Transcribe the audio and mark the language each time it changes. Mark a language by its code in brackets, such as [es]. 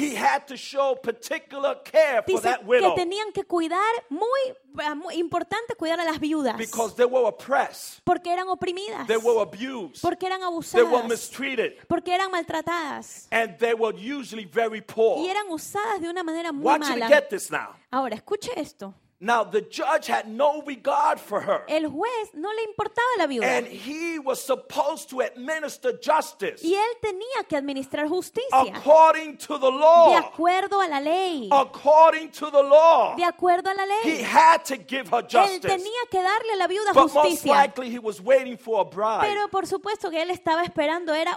[en] He had to show particular care for that widow. [es] Dice que tenían que cuidar muy importante cuidar a las viudas. [en] Because they were oppressed. [es] Porque eran oprimidas. [en] They were abused. [es] Porque eran abusadas. [en] They were mistreated. [es] Porque eran maltratadas. [en] And they were usually very poor. [es] Y eran usadas de una manera muy mala. [en] Watch me get this now. [es] Ahora escuche esto. [en] Now the judge had no regard for her. [es] El juez no le importaba la viuda. [en] And he was supposed to administer justice. [es] Y él tenía que administrar justicia. [en] According to the law. [es] De acuerdo a la ley. [en] According to the law. [es] De acuerdo a la ley. [en] He had to give her justice. [es] Él tenía que darle a la viuda [en] but [es] justicia. [en] But most likely he was waiting for a bride. [es] Pero por supuesto que él estaba esperando era